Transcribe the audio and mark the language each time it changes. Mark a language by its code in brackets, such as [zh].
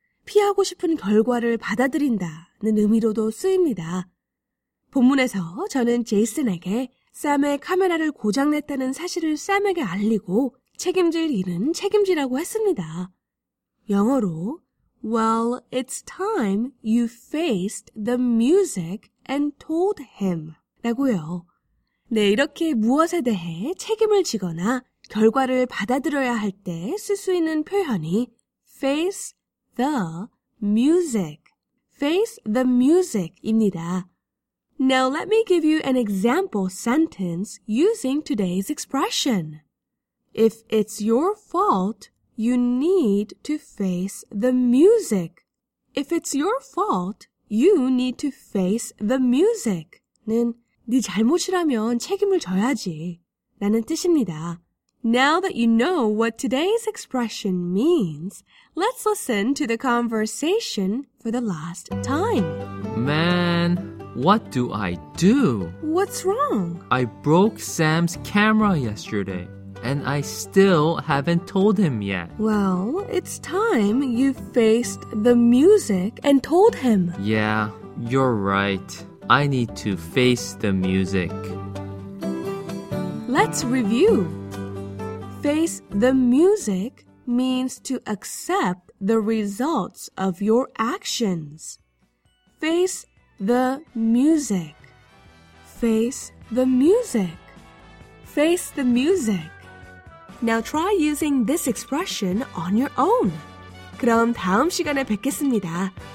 [ko] 피하고 싶은 결과를 받아들인다는 의미로도 쓰입니다. 본문에서 저는 제이슨에게 샘의 카메라를 고장냈다는 사실을 샘에게 알리고 책임질 일은 책임지라고 했습니다. 영어로 [en] Well, it's time you faced the music and told him. [ko] 라고요. 네, 이렇게 무엇에 대해 책임을 지거나 결과를 받아들여야 할 때 쓸 수 있는 표현이 [en] face the music. Face the music [ko] 입니다. [en] Now let me give you an example sentence using today's expression. If it's your fault, you need to face the music. If it's your fault, you need to face the music. 는 [ko] 네 잘못이라면 책임을 져야지 라는 뜻입니다. [en] Now that you know what today's expression means, let's listen to the conversation for the last time. Man, what do I do? What's wrong? I broke Sam's camera yesterday, and I still haven't told him yet. Well, it's time you faced the music and told him. Yeah, you're right. I need to face the music. Let's review. Face the music means to accept the results of your actions. Face the music. Face the music. Face the music. Now try using this expression on your own. [ko] 그럼 다음 시간에 뵙겠습니다.